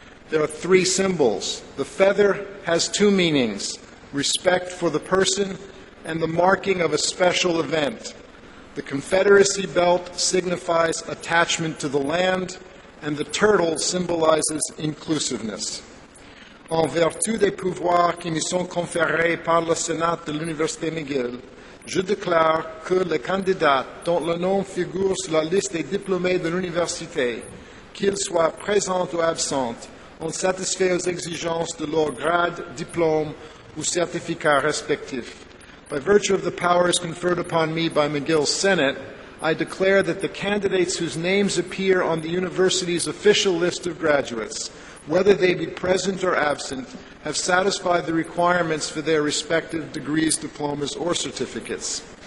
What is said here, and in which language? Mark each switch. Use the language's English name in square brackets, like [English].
[English] There are three symbols. The feather has two meanings, respect for the person and the marking of a special event. The Confederacy belt signifies attachment to the land, and the turtle symbolizes inclusiveness. [French] En vertu des pouvoirs qui me sont conférés par le Sénat de l'Université McGill, je déclare que les candidats dont le nom figure sur la liste des diplômés de l'Université, qu'ils soient présents ou absents, ont satisfait aux exigences de leur grade, diplôme ou certificat respectif. [English] By virtue of the powers conferred upon me by McGill's Senate, I declare that the candidates whose names appear on the University's official list of graduates, whether they be present or absent, have satisfied the requirements for their respective degrees, diplomas, or certificates.